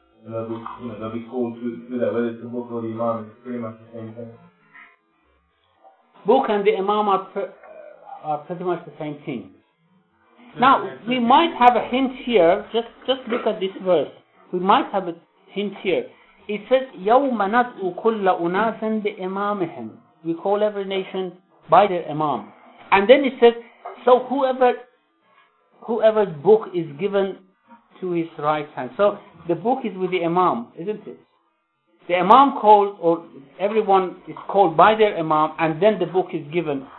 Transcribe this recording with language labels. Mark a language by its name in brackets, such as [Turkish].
[English] And they'll be called to that, whether it's a book or the imam, it's pretty much the same thing. Book and the imam are pretty much the same thing. Now, we might have a hint here, just look at this verse. We might have a hint here. It says, [Arabic] يَوْمَ نَدْءُ كُلَّ أُنَاسٍ بِإِمَامِهِمْ. [English] We call every nation by their imam. And then it says, so whoever's book is given to his right hand. So, the book is with the imam, isn't it? The imam calls, or everyone is called by their imam, and then the book is given.